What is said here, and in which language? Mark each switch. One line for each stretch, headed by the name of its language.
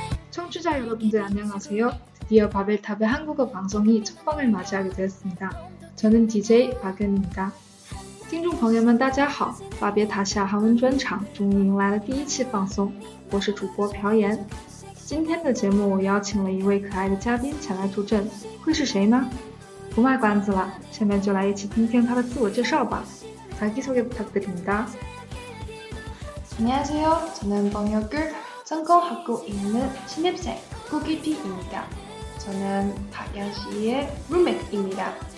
Korean: 청취자 여러분들 안녕하세요. 드디어 바벨탑의 한국어 방송이 첫방을 맞이하게 되었습니다. 저는 DJ 박은입니다.
Chinese: 听众朋友们大家好，巴别塔夏韩文专场终于迎来了第一期放松，我是主播朴妍。今天的节目我邀请了一位可爱的嘉宾前来助阵，会是谁呢？不卖关子了，下面就来一起听听他的自我介绍吧。
Korean: 자기소개 부탁드립니다. 안녕하세요. 저는 뉴욕을 성공하고 있는 신입생 쿠키피입니다. 저는 박연 씨의 룸메이트입니다.